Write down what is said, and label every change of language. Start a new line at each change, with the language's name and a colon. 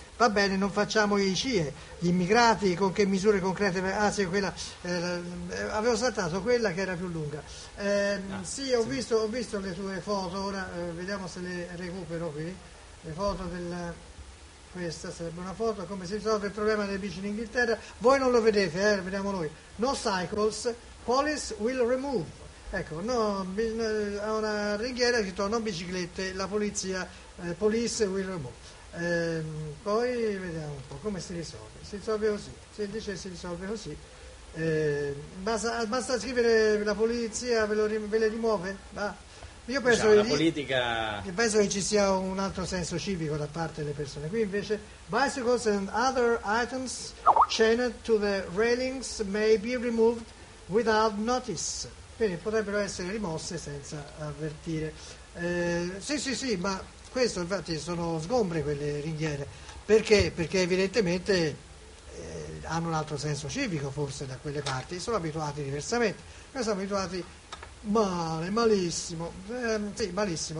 Italian: Va bene, non facciamo i CIE. Gli immigrati, con che misure concrete? Ah, sì, quella. Avevo saltato quella che era più lunga. Ho visto le tue foto, ora vediamo se le recupero qui. Le foto della. Questa sarebbe una foto, come si risolve il problema delle bici in Inghilterra. Voi non lo vedete, vediamo noi.
English: No cycles, police will remove.
Italian: Ecco, no, a una ringhiera che torna biciclette, la polizia,
English: police will remove.
Italian: Poi vediamo un po' come si risolve. Si risolve così, si dice si risolve così. Basta scrivere la polizia, ve le rimuove? Va. Io penso, diciamo, politica... io penso che ci sia un altro senso civico da parte delle persone. Qui invece,
English: bicycles and other items chained to the railings may be removed without notice.
Italian: Quindi potrebbero essere rimosse senza avvertire. Sì, ma questo infatti sono sgombre quelle ringhiere. Perché? Perché evidentemente hanno un altro senso civico forse da quelle parti. Sono abituati diversamente. Noi siamo abituati male, malissimo. Sì, malissimo.